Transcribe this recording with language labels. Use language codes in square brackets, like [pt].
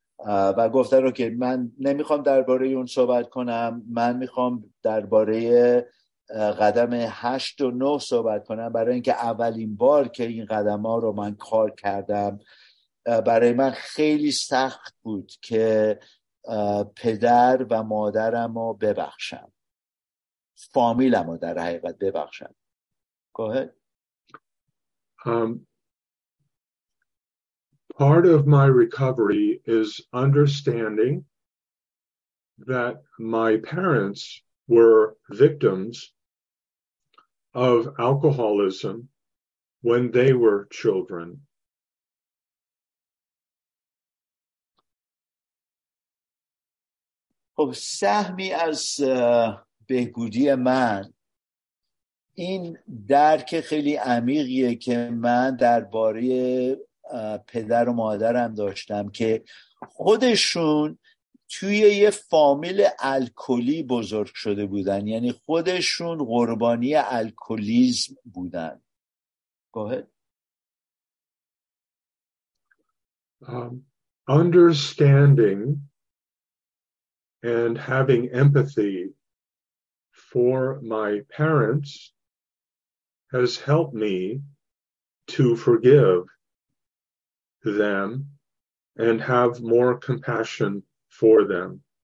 [fa] و گفتن رو که من نمیخوام درباره اون صحبت کنم، من میخوام درباره قدم 8 و 9 صحبت کنم، برای اینکه اولین بار که این قدم ها رو من کار کردم برای من خیلی سخت بود که پدر و مادرم رو ببخشم، فامیلم رو در حقیقت ببخشم. [en] Go ahead. Part of my recovery is understanding that my parents were victims of alcoholism when they were children. [fa] خب سهمی از بهبودی من این درک خیلی عمیقیه که من درباره پدر و مادرم داشتم که خودشون توی یه فامیل الکلی بزرگ شده بودن، یعنی خودشون قربانی الکلیزم بودن. [en] Understanding and having empathy for my parents has helped me to forgive them and have more compassion for them.